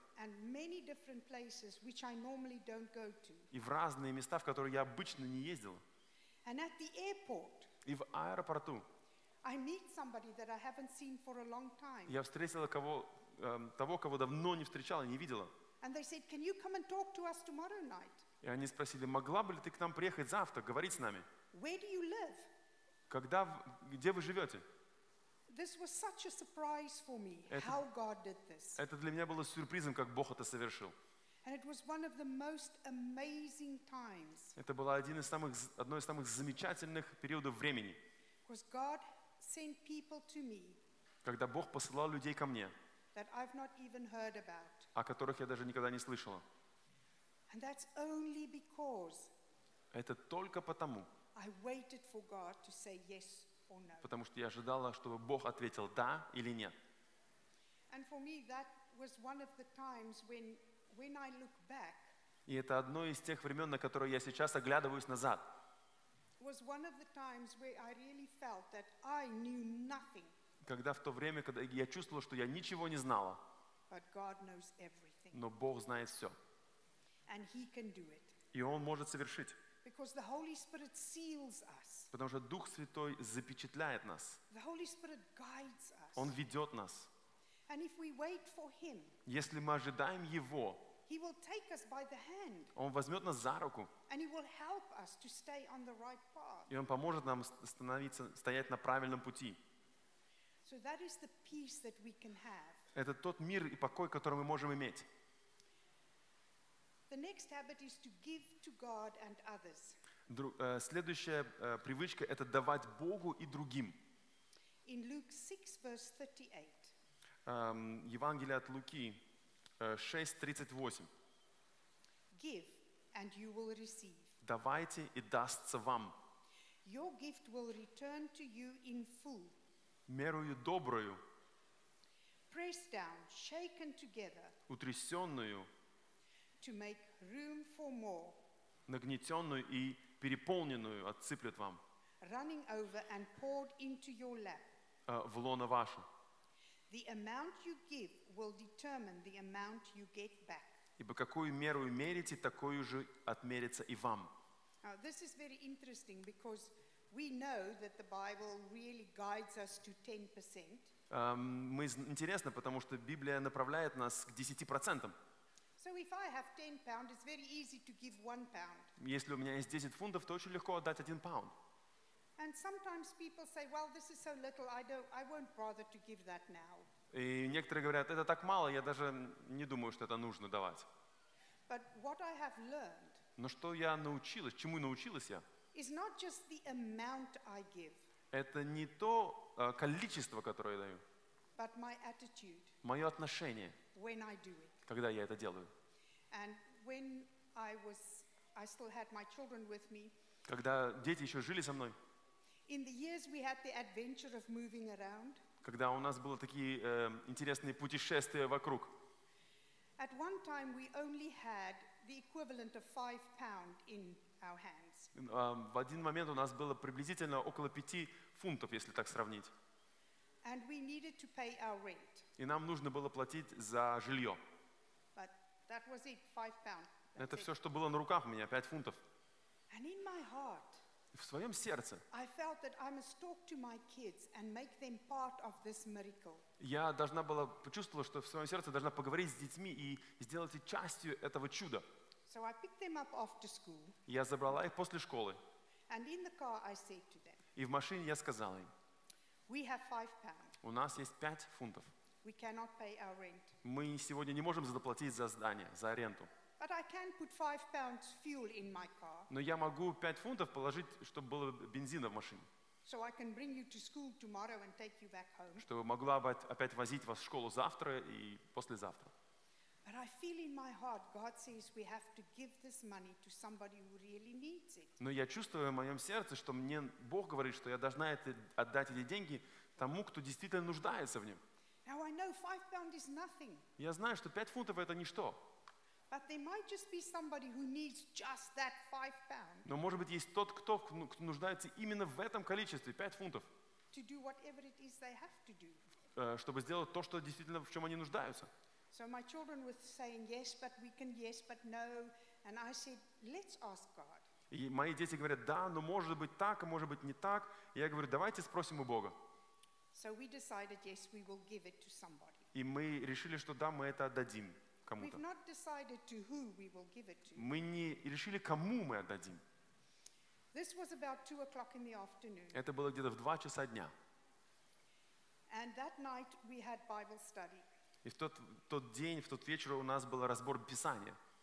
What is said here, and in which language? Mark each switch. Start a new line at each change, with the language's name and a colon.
English: And many different places which I normally don't go to.
Russian: И в разные места, в которые я обычно не ездила.
English: And at the airport.
Russian: И в аэропорту.
English: I meet somebody that I haven't seen for a long time.
Russian: Я встретила кого давно не встречала, не видела.
English: And they said, "Can you come and talk to us tomorrow night?"
Russian: И они спросили, могла бы ли ты к нам приехать завтра, говорить с нами?
English: Where do you live?
Russian: Где вы живете?
English: This was such a surprise for me. How God did this.
Russian: Это для меня было сюрпризом, как Бог это совершил.
English: And it was one of the most amazing times.
Russian: Это было одно из самых замечательных периодов времени.
English: Because God sent people to me.
Russian: Когда Бог посылал людей ко мне.
English: That I've not even heard about.
Russian: О которых я даже никогда не слышала.
English: And that's only because.
Russian: Это только потому.
English: I waited for God to say yes or no.
Russian: Потому что я ожидала, чтобы Бог ответил да или нет.
English: And for me that was one of the times when I look back.
Russian: И это одно из тех времен, на которые я сейчас оглядываюсь назад.
English: Was one of the times where I really felt that I knew nothing.
Russian: Когда в то время, когда я чувствовала, что я ничего не знала.
English: But God knows everything.
Russian: Но Бог знает все.
English: And He can do it.
Russian: И Он может совершить.
English: Because the Holy Spirit seals us.
Russian: Потому что Дух Святой запечатляет нас.
English: The Holy Spirit guides us.
Russian: Он ведет нас.
English: And if we wait for Him,
Russian: если мы ожидаем Его,
English: He will take us by the hand.
Russian: Он возьмет нас за руку.
English: And He will help us to stay on the right path.
Russian: И Он поможет нам стоять на правильном пути.
English: So that is the peace that we can have.
Russian: Это тот мир и покой, который мы можем иметь.
English: The next habit is to give to God and others.
Russian: Следующая привычка – это давать Богу и другим.
English: In Luke 6, verse 38.
Russian: Евангелие от Луки 6:38.
English: Give and you will receive.
Russian: Давайте и дастся вам.
English: Your gift will return to you in full.
Russian: Мерою добрую.
English: Pressed down, shaken together.
Russian: Утрясенную.
English: To make room for more.
Russian: Нагнетенную и переполненную отсыплют вам.
English: Running over and poured into your lap.
Russian: В лоно ваше.
English: The amount you give will determine the amount you get back.
Russian: Ибо какую меру мерите, такую же отмерится и вам.
English: Now this is very interesting because we know that the Bible really guides us to 10%.
Russian: Интересно, потому что Библия направляет нас к 10%.
English: So if I have 10 pounds, it's very easy to give 1 pound.
Russian: Если у меня есть 10 фунтов, то очень легко отдать
English: 1 pound. And sometimes people say, "Well, this is so little, I won't bother to give that now."
Russian: И некоторые говорят, это так мало, я даже не думаю, что это нужно давать.
English: But what I have learned.
Russian: Но что я научилась, чему научилась я?
English: Is not just the amount I give.
Russian: Это не то количество, которое я даю.
English: But my attitude.
Russian: Мое отношение.
English: When I do it.
Russian: Когда я это делаю.
English: And when I still had my children with me.
Russian: Когда дети еще жили со мной.
English: In the years we had the adventure of moving around.
Russian: Когда у нас было такие интересные путешествия вокруг.
English: At one time we only had the equivalent of 5 pound in our hands.
Russian: В один момент у нас было приблизительно около 5 фунтов, если так сравнить.
English: And we needed to pay our rent.
Russian: И нам нужно было платить за жилье.
English: That was it, 5 pounds.
Russian: Это все, что было на руках у меня, 5 фунтов.
English: And in my heart,
Russian: в своем сердце.
English: I felt that I must talk to my kids and make them part of this miracle.
Russian: Я должна была почувствовать, что в своем сердце должна поговорить с детьми и сделать их частью этого чуда.
English: So I picked them up after school.
Russian: Я забрала их после школы.
English: And in the car I said to them.
Russian: И в машине я сказала им.
English: We have 5 pounds.
Russian: У нас есть 5 фунтов.
English: We cannot pay our rent.
Russian: Мы сегодня не можем заплатить за здание, за аренду.
English: But I can put 5 pounds fuel in my car.
Russian: Но я могу 5 фунтов положить, чтобы было бензина в машине.
English: So I can bring you to school tomorrow and take you back home.
Russian: Чтобы могла опять возить вас в школу завтра и послезавтра.
English: But I feel in my heart, God says we have to give this money to somebody who really needs it.
Russian: Но я чувствую в моем сердце, что мне Бог говорит, что я должна отдать эти деньги тому, кто действительно нуждается в нем.
English: Now I know 5 pounds is nothing.
Russian: Я знаю, что 5 фунтов это ничто.
English: But there might just be somebody who needs just that 5 pounds.
Russian: Но может быть есть тот, кто нуждается именно в этом количестве, 5 фунтов.
English: To do whatever it is they have to do.
Russian: Чтобы сделать то, что действительно в чем они нуждаются.
English: So my children were saying yes, but we can yes, but no, and I said, let's ask God.
Russian: И мои дети говорят да, но может быть так, а может быть не так. Я говорю, давайте спросим у Бога.
English: So we decided yes, we will give it to somebody.
Russian: И мы решили, что да, мы это отдадим.
English: We've not decided to who we will give it to.
Russian: Мы не решили, кому мы отдадим.
English: This was about 2 o'clock in the afternoon.
Russian: Это было где-то в 2 часа дня.
English: And that night we had Bible study.
Russian: И в тот день, в тот вечер у нас был разбор Писания.